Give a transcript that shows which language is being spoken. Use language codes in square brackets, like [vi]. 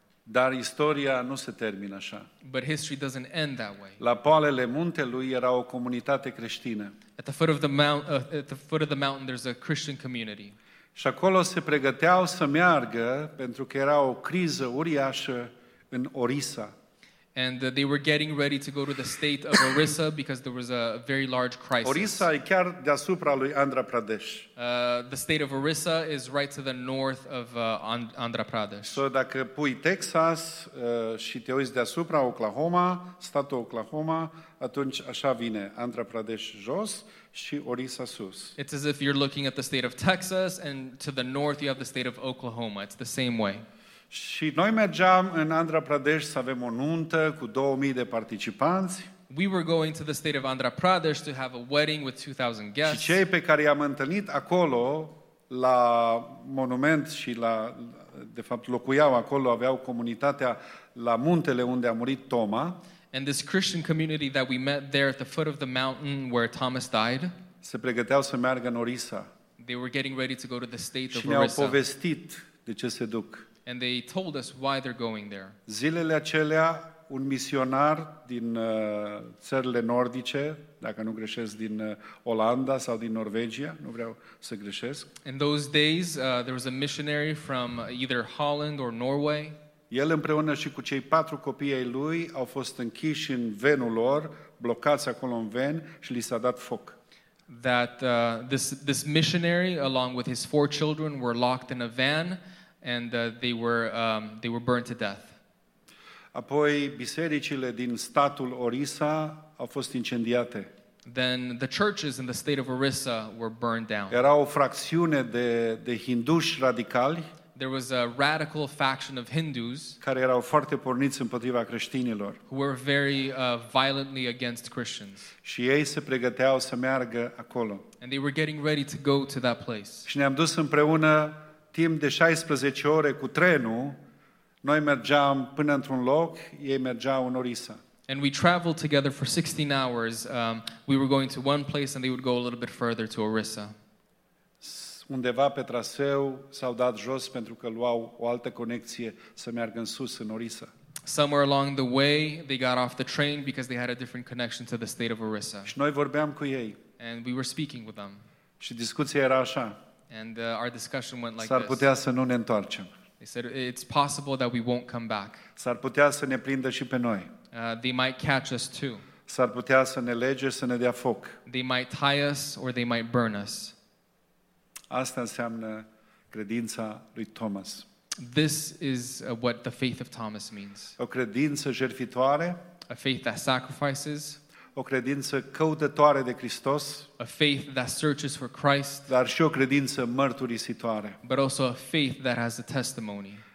[ro] Dar istoria nu se termină așa. [en] But history doesn't end that way. [ro] La poalele muntelui era o comunitate creștină. [en] At the foot of the mountain, there's a Christian community. [ro] Și acolo se pregăteau să meargă pentru că era o criză uriașă în Orissa. [en] And they were getting ready to go to the state of Orissa because there was a very large crisis. [ro] Orissa e chiar deasupra lui Andhra Pradesh. [en] The state of Orissa is right to the north of Andhra Pradesh. [ro] So dacă pui Texas și te uiți deasupra Oklahoma, statul Oklahoma, atunci așa vine Andhra Pradesh jos și Orissa sus. [en] It's as if you're looking at the state of Texas and to the north you have the state of Oklahoma. It's the same way. [ro] Și noi mergeam în Andhra Pradesh să avem o nuntă cu 2000 de participanți. [en] We were going to the state of Andhra Pradesh to have a wedding with 2000 guests. [ro] Și cei pe care i-am întâlnit acolo la monument și la, de fapt, locuiau acolo, aveau comunitatea la muntele unde a murit Toma. [en] And this Christian community that we met there at the foot of the mountain where Thomas died. [ro] Se pregăteau să meargă în Orissa. [en] They were getting ready to go to the state of [ro] Orissa. Și ne-au povestit de ce se duc. [en] And they told us why they're going there. [ro] Zilele acelea, un misionar din țările nordice, dacă nu greșesc, din Olanda sau din Norvegia, nu vreau să greșesc. [en] In those days, there was a missionary from either Holland or Norway. [ro] El împreună și cu cei patru copii ai lui au fost închiși în venul lor, blocați acolo în ven și li s-a dat foc. [en] That this missionary, along with his four children, were locked in a van. And they were burned to death. [ro] Apoi bisericile din statul Orissa au fost incendiate. [en] Then the churches in the state of Orissa were burned down. [ro] Era o fracțiune de hinduși radicali. [en] There was a radical faction of Hindus [ro] care erau foarte porniți împotriva creștinilor. [en] Who were very violently against Christians. [ro] Și ei se pregăteau să meargă acolo. [en] And they were getting ready to go to that place. [ro] Și ne-am dus împreună timp de 16 ore cu trenul. Noi mergeam până într-un loc, ei mergeau în Orissa. [en] And we traveled together for 16 hours. We were going to one place and they would go a little bit further to Orissa. [ro] Undeva pe traseu s-au dat jos pentru că luau o altă conexie să meargă în sus în Orissa. [en] Somewhere along the way they got off the train because they had a different connection to the state of Orissa. [ro] Și noi vorbeam cu ei. [en] And we were speaking with them. [ro] Și discuția era așa. [en] And our discussion went like [ro] s-ar putea [en] this. [ro] Să nu ne întoarcem. [en] They said it's possible that we won't come back. [ro] S-ar putea să ne prindă și pe noi. [en] They might catch us too. [ro] S-ar putea să ne lege, să ne dea foc. [en] They might tie us or they might burn us. [ro] Asta înseamnă credința lui Thomas. [en] This is what the faith of Thomas means. [ro] O credință jertfitoare. [en] A faith that sacrifices. [ro] O credință căutătoare de Hristos. [en] A faith that searches for Christ. [ro] Dar și o credință mărturisitoare. [en] But also a faith that has a testimony.